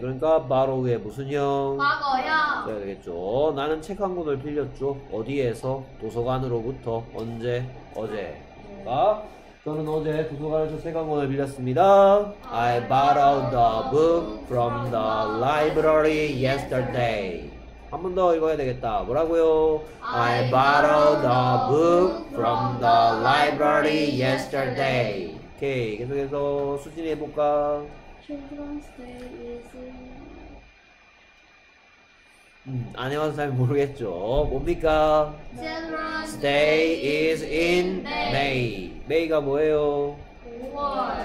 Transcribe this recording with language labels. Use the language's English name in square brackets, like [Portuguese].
[Korean] 그러니까 바로우의 무슨 형? 과거형. 써야겠죠. 나는 책한 권을 빌렸죠. 어디에서? 도서관으로부터. 언제? 어제. 아, 저는 어제 도서관에서 책한 권을 빌렸습니다. [English] I borrowed the book from the library yesterday. [Korean] 한번더 읽어야 되겠다. 뭐라고요? [English] I borrowed the book from the library yesterday. [Korean] 오케이, 계속해서 수진이 해볼까? [English] Children's Day is in. [Korean] 안 해봐서 잘 모르겠죠. 뭡니까? [English] Children's Stay is in Day is in May. [Korean] May. May가 뭐예요? 5월.